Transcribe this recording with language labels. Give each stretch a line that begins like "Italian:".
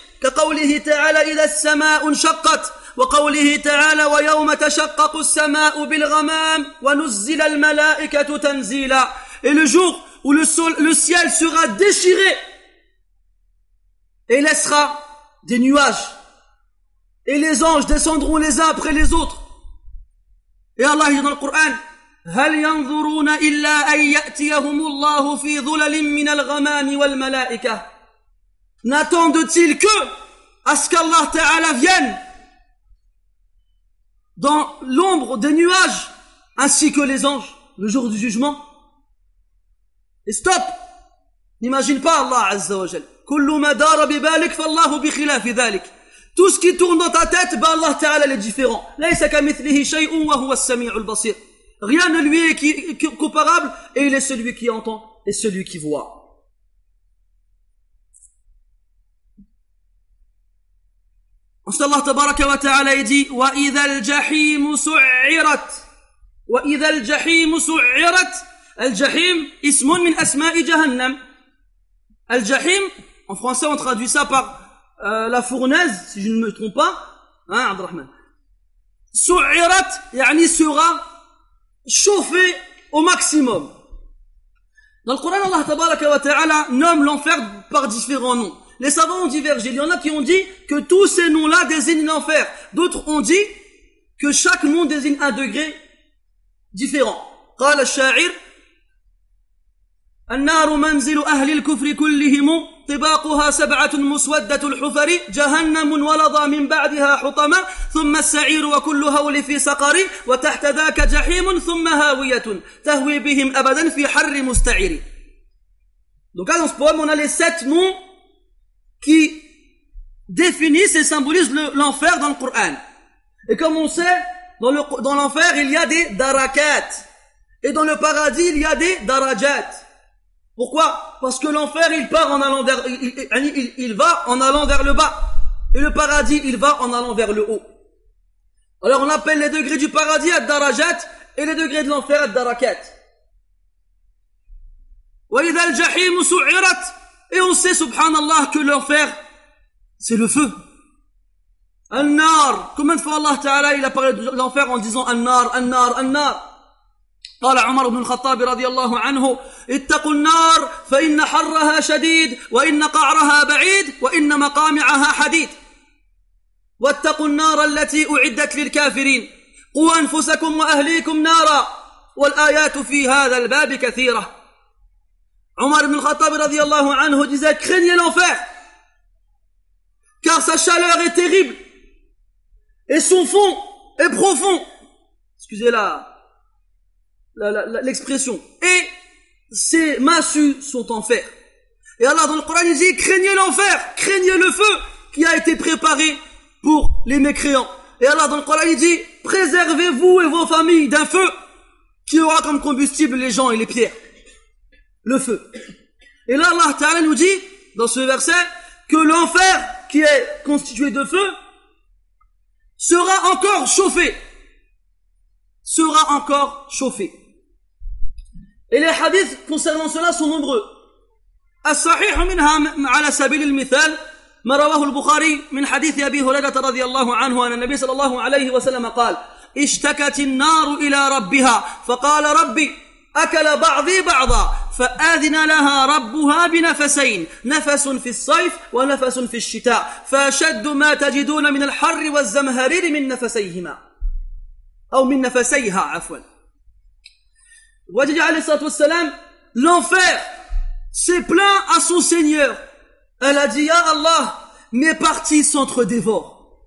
Arabic: كَقَوْلِهِ تَعَالَى إِلَى السَّمَاءُ انشَقَّتْ وَقَوْلِهِ تَعَالَى وَيَوْمَ تَشَقَّقُ السَّمَاءُ بِالْغَمَامِ وَنُزِّلَ الْمَلَائِكَةُ تَنزِيلًا.
French: Et le jour où le ciel sera déchiré et laissera des nuages. Et les anges descendront les uns après les autres. Et Allah dit dans le Coran,
Arabic: هَلْ يَنْظُرُونَ إِلَّا أَنْ يَأْتِيَهُمُ اللَّهُ فِي ظُلَلٍ مِّنَ الْغَمَامِ وَالْمَلَائِكَةِ.
French: N'attendent-ils que à ce qu'Allah Ta'ala vienne dans l'ombre des nuages ainsi que les anges le jour du jugement? Et stop! N'imagine pas Allah Azza wa Jal.
Arabic: كُلُّ مَا دَارَ بِبَالِكَ فَاللَّهُ بِخِلَافِ ذَلِكَ.
French: Tout ce qui tourne dans ta tête, ben Allah Ta'ala est différent.
Arabic: لَيْسَ كَمِثْلِهِ شَيْءٌ وَهُوَ السَّمِيعُ الْبَصِيرُ.
French: Rien ne lui est comparable et il est celui qui entend et celui qui voit. Ensuite Allah Tabaraka wa Ta'ala dit
Arabic: وَإِذَا الْجَحِيمُ سُعِّرَتْ. وَإِذَا الْجَحِيمُ سُعِّرَتْ. الجحيم اسم من أسماء جهنم.
French: الجحيم en français on traduit ça par la fournaise si je ne me trompe pas, hein, عبد الرحمن.
Arabic: سعرت يعني
French: sera chauffé au maximum. Dans le Coran Allah tabaraka wa ta'ala nomme l'enfer par différents noms. Les savants ont divergé, il y en a qui ont dit que tous ces noms là désignent l'enfer, d'autres ont dit que chaque nom désigne un degré différent.
Arabic: قال الشاعر النار منزل أهل الكفر كلهم طباقها سبعة مسودة الحفر جهنم ولضى من بعدها حطمة ثم السعير وكل هول في سقر وتحت ذاك جحيم ثم هاوية تهوي بهم أبدا في حر مستعير.
French: Donc dans ce poème on a les sept mots qui définissent et symbolisent l'enfer dans le Coran. Et comme on sait, dans l'enfer il y a des darakat et dans le paradis il y a des darajat. Pourquoi? Parce que l'enfer, il part en allant vers, il va en allant vers le bas. Et le paradis, il va en allant vers le haut. Alors, on appelle les degrés du paradis ad-darajat et les degrés de l'enfer ad-darakat.
Arabic: Wa idha al-jahim su'irat.
French: Et on sait, subhanallah, que l'enfer, c'est le feu. An-nar. Combien de fois Allah Ta'ala, il a parlé de l'enfer en disant an-nar, an-nar, an-nar.
Arabic: قال عمر بن الخطاب رضي الله عنه اتقوا النار فإن حرها شديد وإن قعرها بعيد وإن مقامعها حديد واتقوا النار التي أعدت للكافرين قوا أنفسكم وأهليكم نارا والآيات في هذا الباب كثيرة.
French: عمر بن الخطاب
Arabic: رضي الله عنه
French: disait craignez l'enfer car sa chaleur est terrible et son fond est profond, excusez-la l'expression, et ces massues sont en fer. Et Allah dans le Coran il dit craignez l'enfer, craignez le feu qui a été préparé pour les mécréants. Et Allah dans le Coran il dit préservez-vous et vos familles d'un feu qui aura comme combustible les gens et les pierres, le feu. Et là Allah Ta'ala nous dit dans ce verset que l'enfer qui est constitué de feu sera encore chauffé, sera encore chauffé. Et les hadiths concernant cela sont nombreux.
Arabic: الصحيح منها على سبيل المثال ما رواه البخاري من حديث أبي هريرة رضي الله عنه أن النبي صلى الله عليه وسلم قال اشتكت النار إلى ربها فقال ربي أكل بعضي بعضا فأذن لها ربها بنفسين نفس في الصيف ونفس في الشتاء فشد ما تجدون من الحر والزمهرير من نفسيهما أو من نفسيها عفوا.
French: Wajidi alayhi salatu wassalam, l'enfer s'est plaint à son Seigneur. Elle a dit, Ya Allah, mes parties s'entre-dévorent.